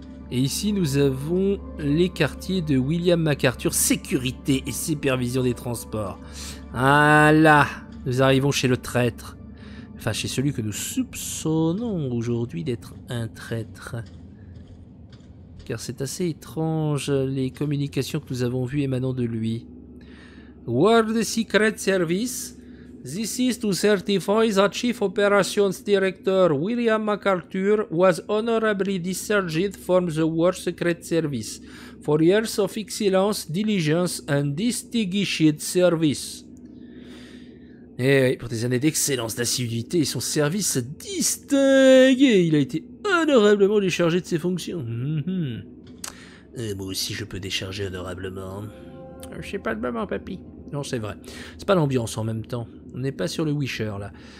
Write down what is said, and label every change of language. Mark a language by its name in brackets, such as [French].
[French] Et ici, nous avons les quartiers de William MacArthur, sécurité et supervision des transports. Voilà. Nous arrivons chez le traître. Enfin, chez celui que nous soupçonnons aujourd'hui d'être un traître. Car c'est assez étrange, les communications que nous avons vues émanant de lui. [English] World Secret Service, this is to certify that Chief Operations Director William MacArthur was honorably discharged from the World Secret Service for years of excellence, diligence and distinguished service. [French] Et oui, pour des années d'excellence, d'assiduité et son service distingué, il a été honorablement déchargé de ses fonctions. Et moi aussi, je peux décharger honorablement. Je sais pas de maman, papy. Non, c'est vrai. C'est pas l'ambiance en même temps. On n'est pas sur le Wisher, là.